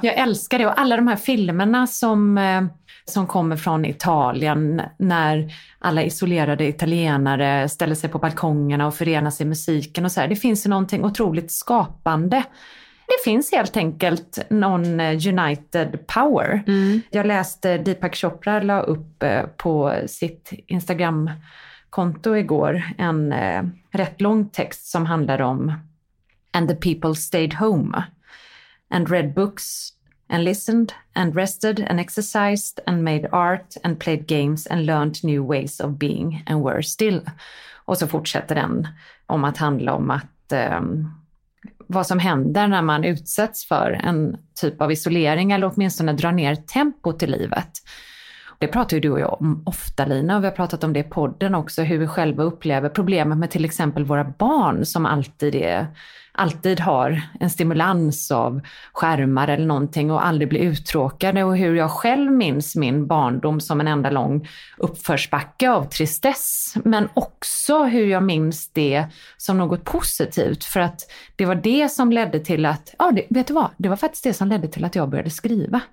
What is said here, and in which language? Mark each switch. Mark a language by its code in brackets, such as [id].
[sv] Jag älskar det. Och alla de här filmerna som kommer från Italien när alla isolerade italienare ställer sig på balkongerna och förenar sig i musiken och så här. Det finns ju någonting otroligt skapande. Det finns helt enkelt någon [en] united power. Mm. [sv] Jag läste Deepak Chopra la upp på sitt Instagram-konto igår en rätt lång text som handlar om [en] "And the people stayed home and read books and listened and rested and exercised and made art and played games and learned new ways of being and were still." [sv] Och så fortsätter den om att handla om att vad som händer när man utsätts för en typ av isolering eller åtminstone drar ner tempo till livet. Det pratar ju du och jag om ofta, Lina, och vi har pratat om det i podden också, hur vi själva upplever problemet med till exempel våra barn som alltid har en stimulans av skärmar eller någonting och aldrig blir uttråkade, och hur jag själv minns min barndom som en enda lång uppförsbacke av tristess, men också hur jag minns det som något positivt, för att det var det som ledde till att, ja, vet du vad, det var faktiskt det som ledde till att jag började skriva.